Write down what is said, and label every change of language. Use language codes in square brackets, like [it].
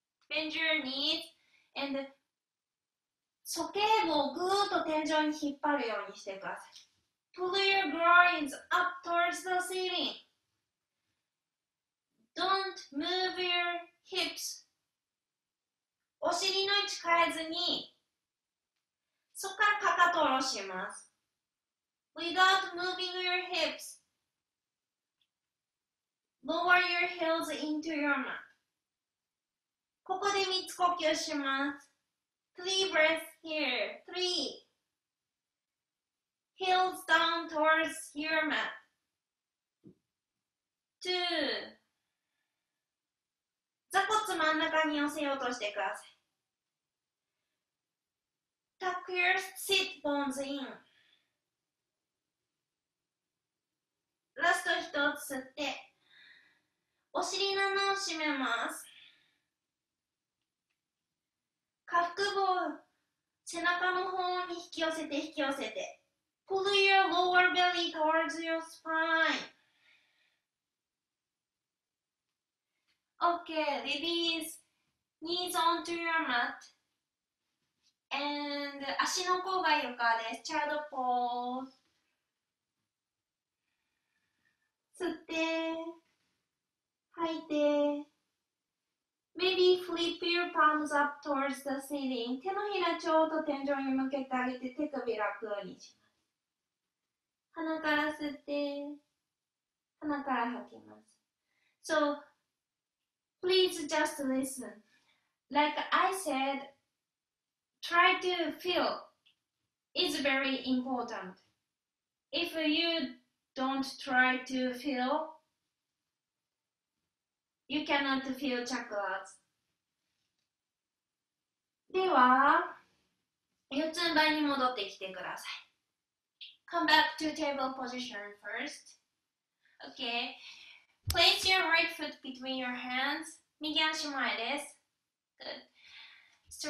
[en] bend your knees and [ja] 鼠径部をぐーっと天井に引っ張るようにしてください。 [en] Pull your groins up towards the ceiling. Don't move your hips. [ja] お尻の位置変えずに、そこからかかとを下ろします。 [en] Without moving your hips, lower your heels into your mat. [ja] ここで3つ呼吸します。 [en] Three breaths here. Three. Heels down towards your mat. Two. [ja] 座骨真ん中に寄せようとしてください。 [en] Tuck your sit bones in. [ja] ラスト一つ吸って、お尻の穴を閉めます。下腹部を背中の方に引き寄せて引き寄せて。 [en] Pull your lower belly towards your spine.Okay, release. Knees onto your mat. And [ja] 足の甲が床です。 [en] Child pose. [ja] 吸って、吐いて。 [en] Maybe flip your palms up towards the ceiling. [ja] 手のひらちょうど天井に向けてあげて手首楽にします。鼻から吸って、鼻から吐きます。 [en] So, please just listen. Like I said, try to feel is very important. If you don't try to feel,You cannot feel chakras. [ja] では、四つん這いに戻ってきてください。 [en] Come back to table position first. Okay. Place your right foot between your hands. [ja] 右足前です。 [en] Good.